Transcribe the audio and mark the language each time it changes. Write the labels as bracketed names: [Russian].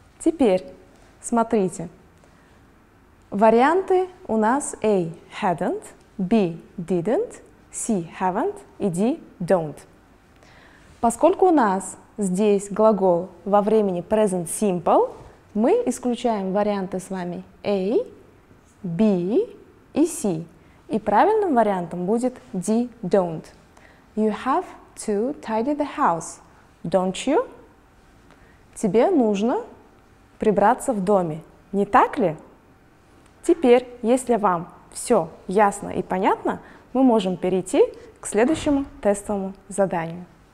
[Russian] Теперь смотрите. Варианты у нас A – [English] hadn't, B – didn't, C – haven't и D – don't. [Russian] Поскольку у нас здесь глагол во времени present simple, мы исключаем варианты с вами A, B и C. И правильным вариантом будет D – don't. [English] You have to tidy the house, don't you? [Russian] Тебе нужно прибраться в доме, не так ли? Теперь, если вам все ясно и понятно, мы можем перейти к следующему тестовому заданию.